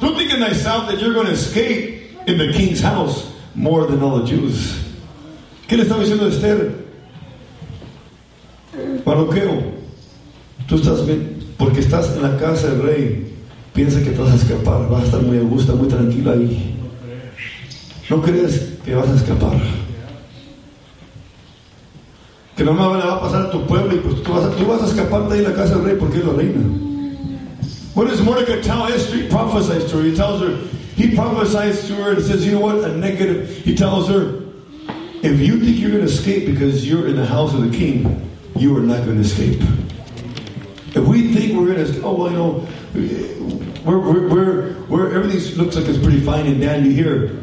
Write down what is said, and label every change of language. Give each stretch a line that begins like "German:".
English: Don't think in thyself that you're going to escape in the king's house more than all the Jews.
Spanish: ¿Qué le está diciendo Esther? Mardoqueo, tú estás bien, porque estás en la casa del rey, piensa que te vas a escapar, vas a estar muy a gusto, muy tranquila ahí. No crees que vas a escapar. Que no me va a pasar a tu pueblo y pues tú vas a escapar de ahí en la casa del rey porque es la reina.
English: What does Mordecai tell Esther? He prophesies to her. He prophesies to her and says, you know what? A negative. He tells her, if you think you're going to escape because you're in the house of the king, you are not going to escape. If we think we're going to escape, everything looks like it's pretty fine and dandy here.